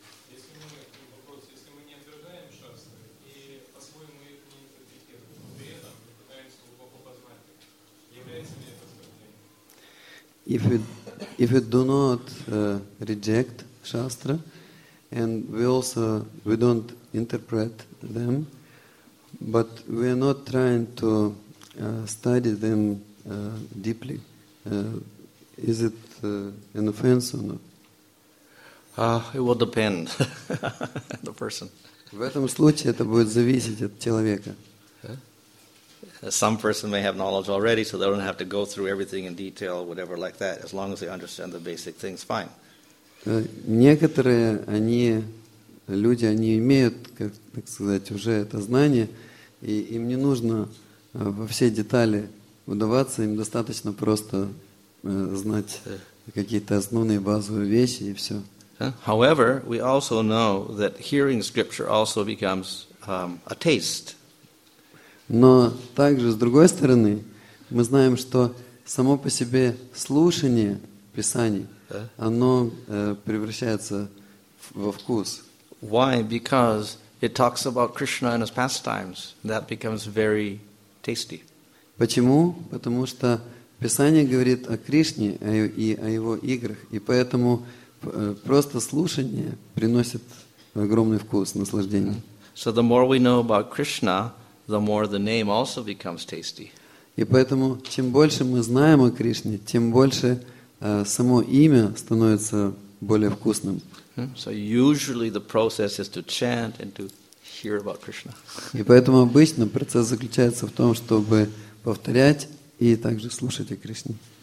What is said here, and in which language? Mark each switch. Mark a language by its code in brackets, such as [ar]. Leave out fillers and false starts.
[ru] Если мы не отвергаем шастры и по-своему их не интерпретируем, при этом пытаемся глубоко познать, является ли это оскорблением? [en] If we do not reject shastra and we don't interpret them, but we are not trying to study them deeply, is it an offense or not? It will depend the person. [ru] В этом случае это будет зависеть от человека. [en] Some person may have knowledge already, so they don't have to go through everything in detail, whatever like that. As long as they understand the basic things, fine. [ru] Некоторые они люди, они имеют, как так сказать, уже это знание, и им не нужно во все детали вдаваться, им достаточно просто знать какие-то основные базовые вещи и все. [en] However, we also know that hearing scripture also becomes a taste. [ru] Но также с другой стороны, мы знаем, что само по себе слушание Писаний, оно превращается во вкус. [en] Why? Because it talks about Krishna and his pastimes. That becomes very tasty. [ru] Почему? Потому что Писание говорит о Кришне и о его играх, и поэтому просто слушание приносит огромный вкус, наслаждение. [en] So the more we know about Krishna, the more the name also becomes tasty. [ru] И поэтому чем больше мы знаем о Кришне, тем больше само имя становится более вкусным. [en] So usually the process is to chant and to hear about Krishna. [ru] И поэтому обычно процесс заключается в том, чтобы повторять и также слушать о Кришне.